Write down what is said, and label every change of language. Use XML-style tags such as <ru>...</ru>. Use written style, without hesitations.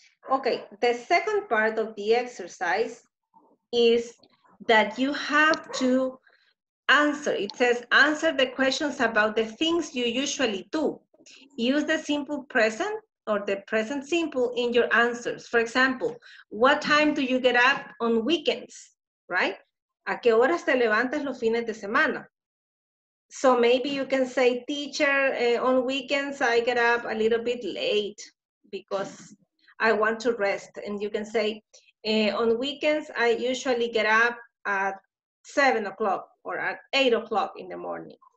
<en>Okay, the second part of the exercise is that you have to answer. It says answer the questions about the things you usually do. Use the simple present or the present simple in your answers. For example, what time do you get up on weekends, right?</en> <es>¿A qué horas te levantas los fines de semana?</es> <en>So maybe you can say, teacher, on weekends I get up a little bit late because I want to rest. And you can say, on weekends I usually get up at 7 o'clock or at 8 o'clock in the morning.</en>